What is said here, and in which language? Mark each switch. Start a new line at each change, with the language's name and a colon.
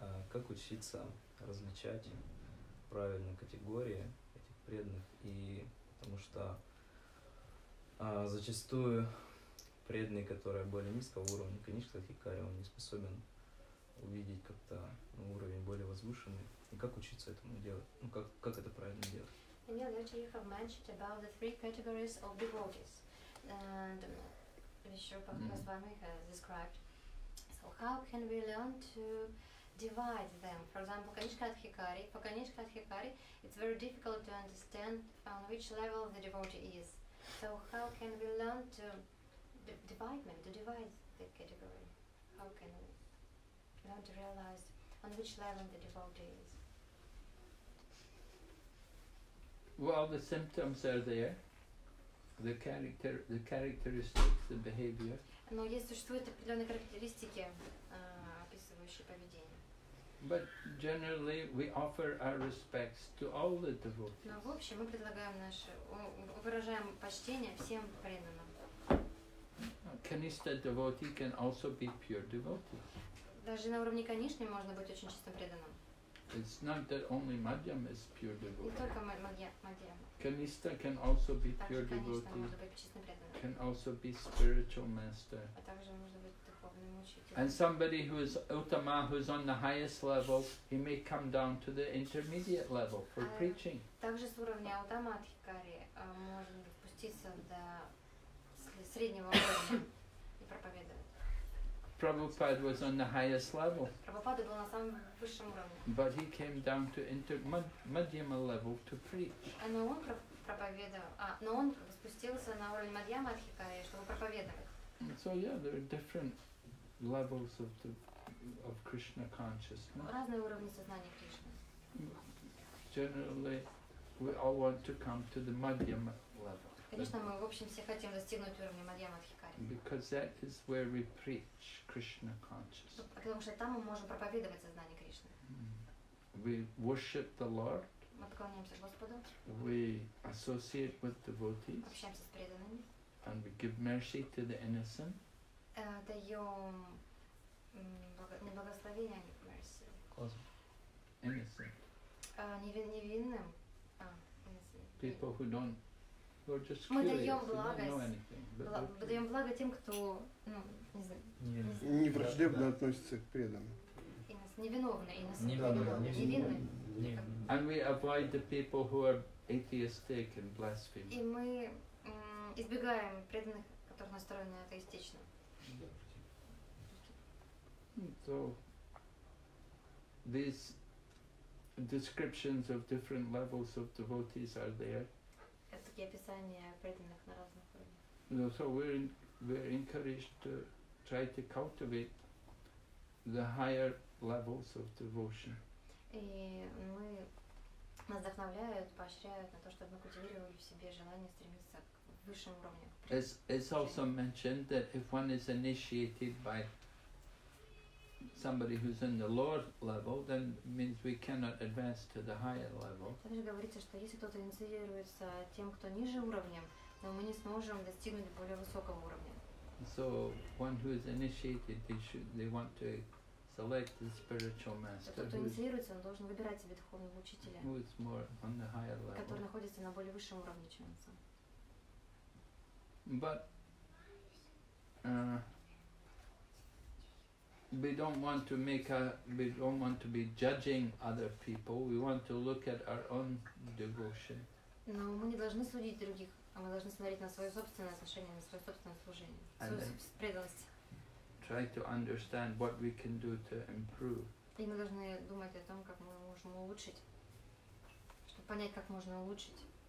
Russian: Как учиться различать правильные категории этих преданных? И потому что зачастую преданный, который более низкого уровня, конечно, хикари, он не способен увидеть как-то уровень более возвышенный. И как учиться этому делать? Ну, как это правильно делать?
English: In your lecture you have mentioned about the three categories of devotees. And Vishrupa Goswami has described. So how can we learn to divide them? For example, Kanishka Adhikari. For Kanishka Adhikari, it's very difficult to understand on which level the devotee is. So how can we learn to divide the category? How can we learn to realize on which level the devotee is? Well, the symptoms are there. The characteristics, the behavior.
Russian: Но есть существуют определенные характеристики, описывающие поведение.
English: But generally we offer our respects to all the devotees.
Russian: Но в общем мы предлагаем наше, выражаем почтение всем преданным.
English: Kanishtha devotee can also be pure devotee.
Russian: Даже на уровне конишни можно быть очень чисто преданным.
English: It's not that only Madhyam is pure devotee.
Russian: Не только Мадьям.
English: Kanishtha can also be
Russian: также
English: pure devotee.
Russian: Также может быть чисто преданным.
English: Can also be spiritual master.
Russian: А также можно быть духовным учителем.
English: And somebody who is uttama, who is on the highest level, he may come down to the intermediate level for preaching.
Russian: Также с уровня уттама адхикари можно спуститься до среднего уровня и проповедовать.
English: Prabhupada was on the highest level.
Russian: Prabhupada был на самом высшем уровне.
English: But he came down to madhyama level to preach.
Russian: Но он проповедовал, но он спустился на уровень мадьяма адхикари, чтобы проповедовать.
English: So yeah, there are different levels of the of Krishna consciousness.
Russian: Разные уровни сознания Кришны.
English: Generally, we all want to come to the madhyama level.
Russian: Конечно, мы в общем все хотим достигнуть уровня мадьяма адхикари.
English: Because that is where we preach Krishna consciousness.
Russian: Потому что там мы можем проповедовать сознание Кришны.
English: We worship the Lord.
Russian: Мы поклоняемся Господу.
English: We associate with devotees.
Russian: Общаемся с преданными.
English: And we give mercy to the innocent.
Russian: Даем не благословение, а mercy.
English: Cause innocent.
Russian: Невинным.
English: People who don't. We're just
Russian: мы даем благо,
English: okay.
Russian: Даем благо тем, кто, ну, не знаю, невраждебно относится к преданным. Невиновные,
English: innocent.
Russian: Невинные. И мы избегаем преданных, которые настроены атеистично.
English: So these descriptions of different levels of devotees are there.
Russian: Это такие описания преданных на разных уровнях.
English: So we're encouraged to try to cultivate the higher levels of devotion.
Russian: И мы нас вдохновляют, поощряют на то, чтобы мы культивировали в себе желание стремиться к высшим уровням.
English: It's also mentioned that if one is initiated by somebody who's in the lower level, then means we cannot advance to the higher level.
Russian: Также говорится, что если кто-то инициируется тем, кто ниже уровнем, то мы не сможем достигнуть более высокого уровня.
English: So one who is initiated, they want to select the spiritual master.
Russian: Кто-то инициируется, он должен выбирать себе духовного учителя.
English: Who is more on the higher level?
Russian: Который находится на более высшем уровне, чем он сам.
English: But. We don't want to make a. We don't want to be judging other people. We want to look at our own devotion.
Russian: Но мы не должны судить других, а мы должны смотреть на свое собственное отношение, на свое собственное служение, свою преданность.
English: Try to understand what we can do to improve.
Russian: И мы должны думать о том, как мы можем улучшить, чтобы понять, как можно улучшить.